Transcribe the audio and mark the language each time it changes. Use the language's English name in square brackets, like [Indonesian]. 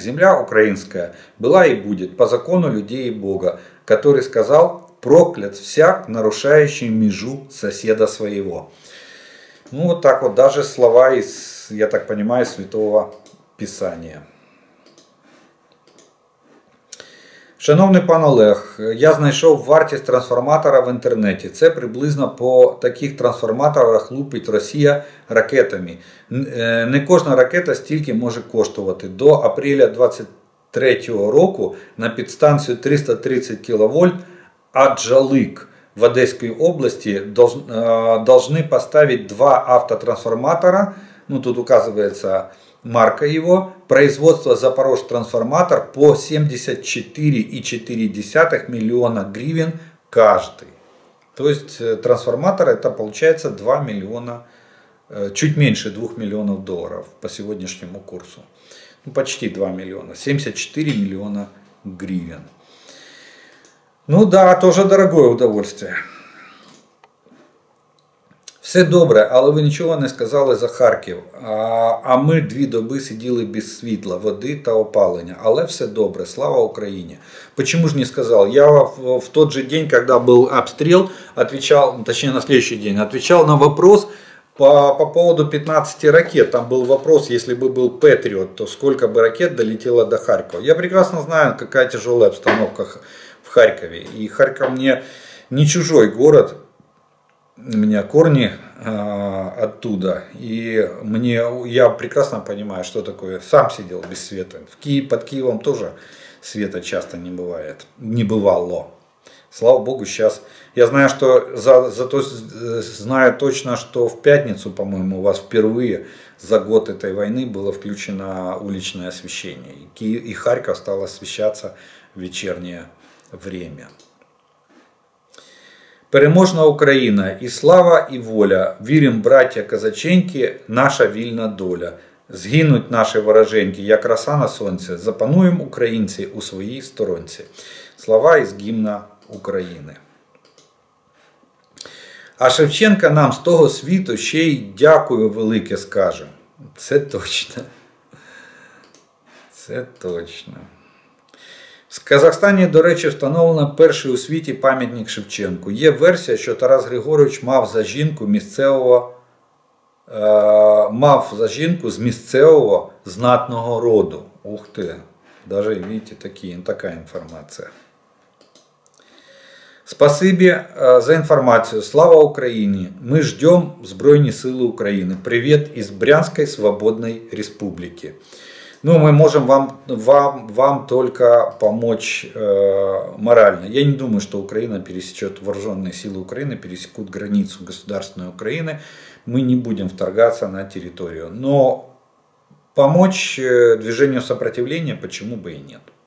[Russian] Земля украинская была и будет по закону людей и Бога, который сказал: «Проклят всяк, нарушающий межу соседа своего». Ну вот так вот, даже слова из, я так понимаю, Святого Писания. [Ukrainian] Шановний пан Олег, я знайшов вартість трансформатора в інтернеті. Це приблизно по таких трансформаторах лупить Росія ракетами. Не кожна ракета стільки може коштувати. [Russian] До апреля 23-го року [Ukrainian] на підстанцію 330 кВт «Аджалик» в Одеській області [Russian] должны поставити два автотрансформатора, ну тут указується марка его, производство «Запорожтрансформатор» по 74,4 миллиона гривен каждый. То есть трансформатор это получается 2 миллиона, чуть меньше 2 миллионов долларов по сегодняшнему курсу. Ну, почти 2 миллиона, 74 миллиона гривен. Ну да, тоже дорогое удовольствие. [Ukrainian] Все добре, але ви нічого не сказали за Харків, а ми дві доби сиділи без світла, води та опалення. Але все добре, слава Україні. [Russian] Почему ж не сказал? Я в тот же день, когда был обстрел, отвечал, точнее на следующий день, отвечал на вопрос по поводу 15 ракет. Там был вопрос, если бы был Патріот, то сколько бы ракет долетело до Харкова. Я прекрасно знаю, какая тяжелая обстановка в Харькове. И Харьков мне не чужой город. У меня корни оттуда, и мне, я прекрасно понимаю, что такое, сам сидел без света. Под Киевом тоже света часто не бывает, не бывало. Слава Богу, сейчас, я знаю, что, зато знаю точно, что в пятницу, по-моему, у вас впервые за год этой войны было включено уличное освещение. И Харьков стал освещаться в вечернее время. [Ukrainian] Переможна Україна, і слава, і воля, вірим, браття казаченьки, наша вільна доля. Згинуть наші вороженьки, як роса на сонці, запануєм українці у своїй сторонці. Слова із гімна України. А Шевченка нам з того світу ще й дякую велике скаже. Це точно. Це точно. В Казахстані, до речі, встановлено перший у світі пам'ятник Шевченку. Є версія, що Тарас Григорович мав за жінку місцевого, мав за жінку з місцевого знатного роду. Ух ти, навіть, видите, така інформація. Спасибі за інформацію. Слава Україні! Ми чекаємо Збройні Сили України. Привіт із Брянської Свободної Республіки. [Russian] Ну, мы можем вам только помочь морально. Я не думаю, что Украина пересечет, вооруженные силы Украины пересекут границу государственной Украины. Мы не будем вторгаться на территорию. Но помочь движению сопротивления почему бы и нет.